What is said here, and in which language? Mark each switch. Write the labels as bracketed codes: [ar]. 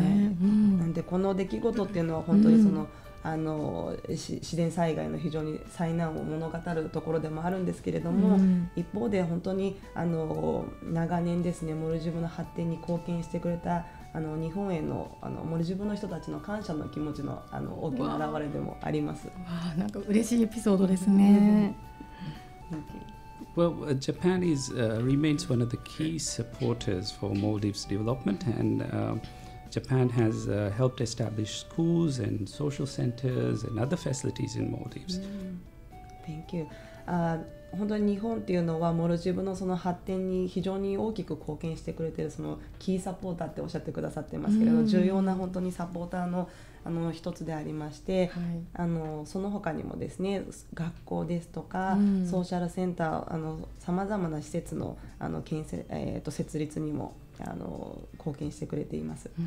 [ja] なんでこの出来事っていうのは本当にその、自然災害の非常に災難を物語るところでもあるんですけれども、一方で本当に長年ですね、モルジブの発展に貢献してくれた日本へ の、 モルジブの人たちの感謝の気持ち の、 大きな表れでもあります。なんか嬉しいエピソードですね。 [en] Well, Japan is, remains one of the key supporters for Maldives' development, and Japan has helped establish schools and social centers and other facilities in Maldives. Thank you. [ja] 本当に日本っていうのはモルジブのその発展に非常に大きく貢献してくれているそのキーサポーターっておっしゃってくださってますけれど、重要な本当にサポーターの一つでありまして、その他にもですね、学校ですとか、ソーシャルセンターさまざまな施設 の、 建設、設立にも貢献してくれています。